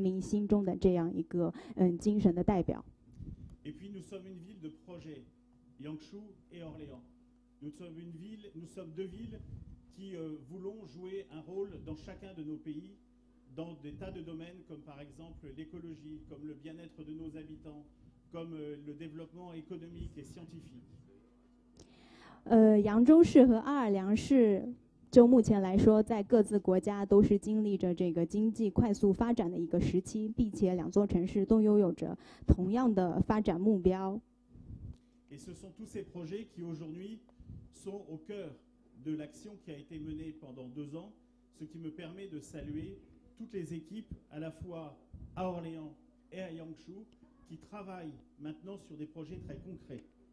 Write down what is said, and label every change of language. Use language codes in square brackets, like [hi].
[zh] 所以，我们今天向扬州赠送这样一座贞德雕像，也是希望与扬州我们的朋友扬州市和扬州市人民一起来分享贞德在法国人民心中的这样一个精神的代表。 [fr] Et puis nous sommes une ville de projet, Yangshu et Orléans. Nous sommes deux villes qui voulons jouer un rôle dans chacun de nos pays. Dans des tas de domaines comme par exemple l'écologie, comme le bien-être de nos habitants, comme le développement économique et scientifique. [zh] 扬州市和奥尔良市，就目前来说，在各自国家都是经历着这个经济快速发展的一个时期，并且两座城市都拥有着同样的发展目标。 [fr] Et ce sont tous ces projets qui aujourd'hui sont au cœur de l'action qui a été menée pendant deux ans, ce qui me permet de saluer toutes les équipes, à la fois à Orléans et à Yangshu, qui travaillent maintenant sur des projets très concrets.